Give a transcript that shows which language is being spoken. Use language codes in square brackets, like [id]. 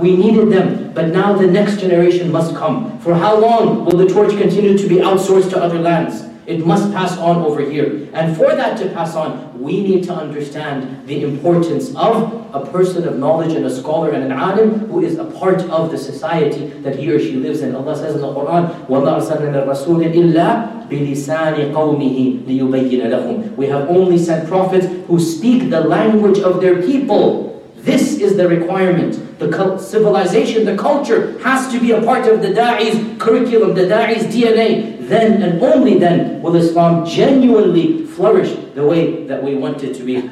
[en] We needed them, but now the next generation must come. For how long will the torch continue to be outsourced to other lands? It must pass on over here. And for that to pass on, we need to understand the importance of a person of knowledge and a scholar and an alim who is a part of the society that he or she lives in. Allah says in the Quran, [ar] وَمَا أَرْسَلْنَا رَسُولًا إِلَّا بِلِسَانِ قَوْمِهِ لِيُبَيِّنَ لَهُمْ. [en] We have only sent prophets who speak the language of their people. This is the requirement. The civilization, the culture has to be a part of the da'i's curriculum, the da'i's DNA. Then and only then will Islam genuinely flourish the way that we want it to be.